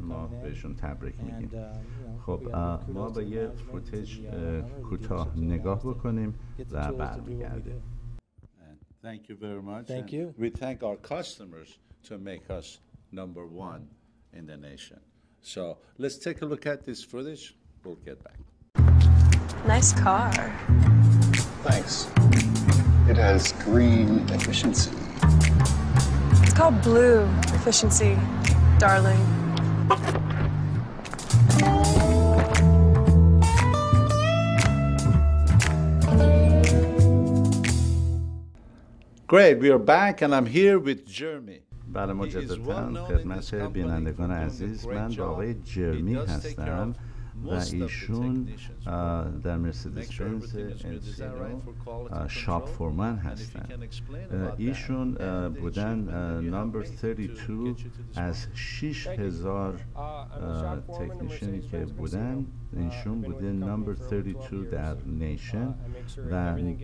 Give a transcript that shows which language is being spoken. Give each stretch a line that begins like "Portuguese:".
Persian: ما بهشون تبریک میگیم. خب ما با یه فوتیج کوتاه نگاه بکنیم و برمیگردیم.
English: Thank you very much. Thank you. We thank our customers to make us number 1 in the nation. So let's take a look at this footage. We'll get back. Nice car. Thanks. It has green efficiency. It's called blue efficiency, darling. Great, we are back and I'm here with Jeremy.
Persian: بله مجددتاً خدمت بینندگان عزیز من با آقای جرمی هستم و ایشون در مرسدس بنز انسینو شاپ فورمن هستن. ایشون بودن نمبر 32 از 6000 تکنیشنی که بودن ایشون بوده نمبر 32 در نیشن و